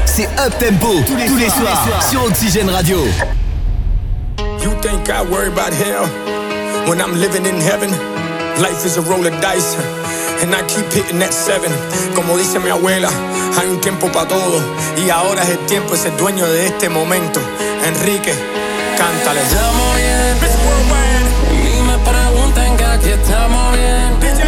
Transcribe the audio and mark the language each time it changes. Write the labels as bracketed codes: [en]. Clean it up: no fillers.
[fr] C'est up-tempo, tous les soirs, sur Oxygène Radio. [en] You think I worry about hell when I'm living in heaven? Life is a roll of dice, and I keep hitting that seven. [es] Como dice mi abuela, hay un tiempo para todo, y ahora es el tiempo, es el dueño de este momento. Enrique, cántale. Estamos bien, Miss Worldwide. Y me preguntan que aquí estamos bien.